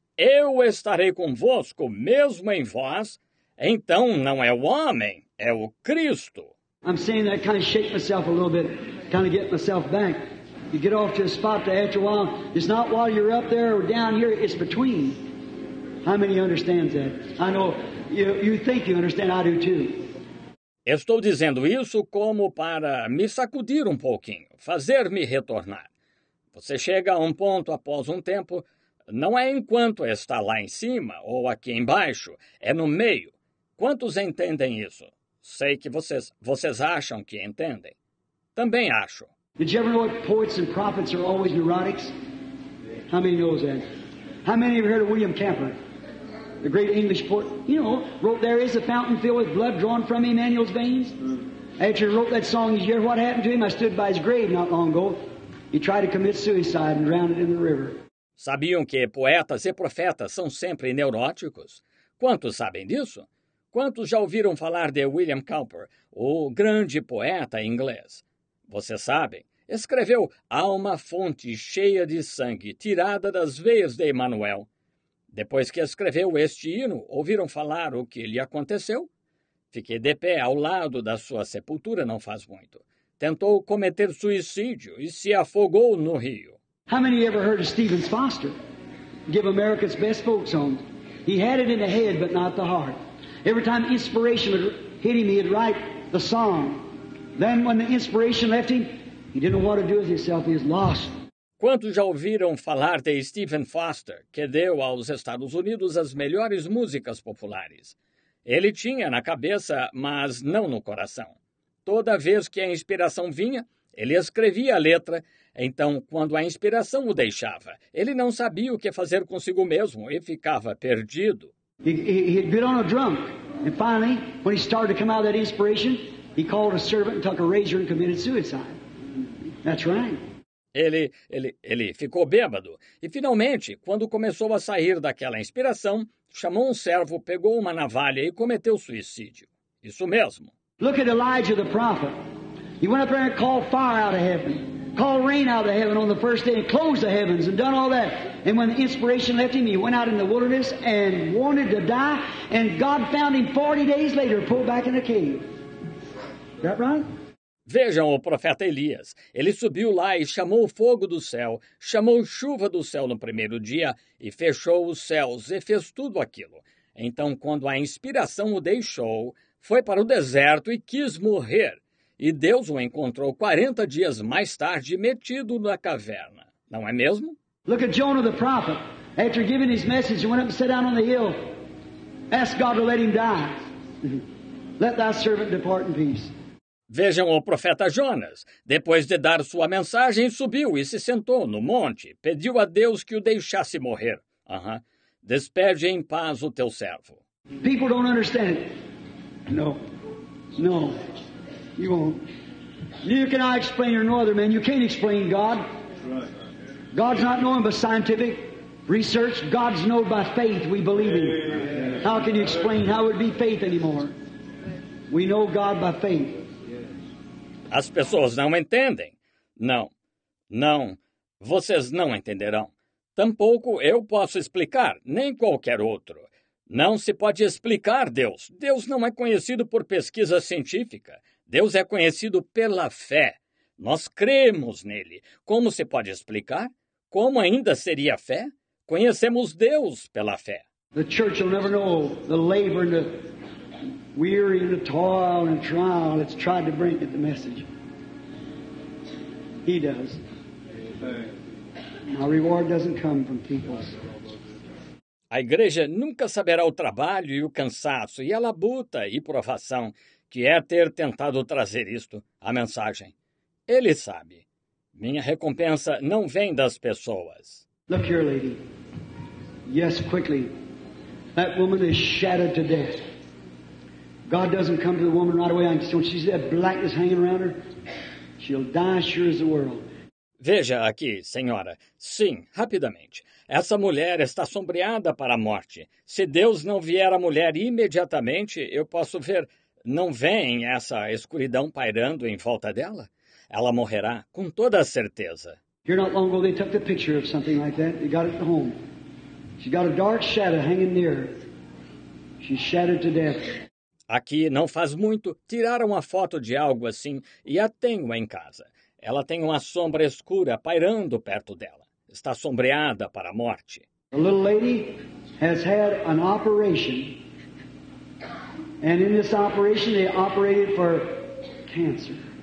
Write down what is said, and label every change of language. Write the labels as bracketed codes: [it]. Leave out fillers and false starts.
[pt] Eu estarei convosco, mesmo em vós. Então não é o homem, é o Cristo. [en] I'm saying that kind of shake myself a little bit, kind of get myself back. You get off to a spot that after a while, it's not while you're up there or down here, it's between. How many understands that? I know you think you understand, I do too. [pt] Estou dizendo isso como para me sacudir um pouquinho, fazer-me retornar. Você chega a um ponto após um tempo, não é enquanto está lá em cima ou aqui embaixo, é no meio. Quantos entendem isso? Sei que vocês acham que entendem. Também acho. [en] Did you ever know that poets and prophets are always neurotics? How many knows that? How many have heard of William Cowper? The great English poet, you know, wrote, "There is a fountain filled with blood drawn from Emmanuel's veins." After he wrote that song, you hear what happened to him? I stood by his grave not long ago. He tried to commit suicide and drowned in the river. [pt] Sabiam que poetas e profetas são sempre neuróticos? Quantos sabem disso? Quantos já ouviram falar de William Cowper, o grande poeta inglês? Você sabe? Escreveu "Alma fonte cheia de sangue, tirada das veias de Emmanuel". Depois que escreveu este hino, ouviram falar o que lhe aconteceu? Fiquei de pé ao lado da sua sepultura não faz muito. Tentou cometer suicídio e se afogou no rio. [en] How many ever heard of Stephen Foster? Give America's best folk song. He had it in the head, but not the heart. Every time inspiration would hit him, he'd write the song. Then when the inspiration left him, he didn't know what to do with himself, he was lost. [pt] Quantos já ouviram falar de Stephen Foster, que deu aos Estados Unidos as melhores músicas populares? Ele tinha na cabeça, mas não no coração. Toda vez que a inspiração vinha, ele escrevia a letra. Então, quando a inspiração o deixava, ele não sabia o que fazer consigo mesmo e ficava perdido. [en] He had been on a drunk. And finally, when he started to come out of that inspiration, he called a servant and took a razor and committed suicide. That's right. [pt] Ele ficou bêbado. E finalmente, quando começou a sair daquela inspiração, chamou um servo, pegou uma navalha e cometeu suicídio. Isso mesmo. [en] Look at Elijah the prophet. He went up there and called fire out of heaven, called rain out of heaven on the first day, and closed the heavens and done all that. And when the inspiration left him, he went out in the wilderness and wanted to die, and God found him 40 days later, pulled back in a cave. Is that right? [pt] Vejam o profeta Elias. Ele subiu lá e chamou o fogo do céu, chamou chuva do céu no primeiro dia e fechou os céus e fez tudo aquilo. Então, quando a inspiração o deixou, foi para o deserto e quis morrer. E Deus o encontrou 40 dias mais tarde metido na caverna. Não é mesmo? [en] Look at Jonah the prophet. After giving his message, he went up and sat down on the hill. Asked God to let him die. Let thy servant depart in peace. [pt] Vejam o profeta Jonas. Depois de dar sua mensagem, subiu e se sentou no monte. Pediu a Deus que o deixasse morrer. Despede em paz o teu servo. [en] People don't understand. No. No. You won't. Neither can I explain it, nor other man. You can't explain God. God's not known by scientific research. God's known by faith. We believe in Him. How can you explain? How would it be faith anymore? We know God by faith. [pt] As pessoas não entendem. Não, não, vocês não entenderão. Tampouco eu posso explicar, nem qualquer outro. Não se pode explicar Deus. Deus não é conhecido por pesquisa científica. Deus é conhecido pela fé. Nós cremos nele. Como se pode explicar? Como ainda seria fé? Conhecemos Deus pela fé. [en] The church will never know the labor and the weary and the toil and trial that's tried to bring it the message. He does. Our reward doesn't come from people. [pt] A igreja nunca saberá o trabalho e o cansaço e a labuta e provação que é ter tentado trazer isto, a mensagem. Ele sabe. Minha recompensa não vem das pessoas. [en] Look here, lady. Yes, quickly. That woman is shattered to death. God doesn't come to the woman right away. When she's that blackness hanging around her, she'll die sure as the world. [pt] Veja aqui, senhora. Sim, rapidamente. Essa mulher está sombreada para a morte. Se Deus não vier a mulher imediatamente, eu posso ver. Não vem essa escuridão pairando em volta dela? Ela morrerá, com toda a certeza. [en] Here not long ago they took the picture of something like that. They got it at home. She got a dark shadow hanging near her. She's shattered to death. [pt] Aqui, não faz muito, tiraram a foto de algo assim e a tenho em casa. Ela tem uma sombra escura pairando perto dela. Está sombreada para a morte. [en] A little lady has had an operation. And in this operation, they operated for cancer.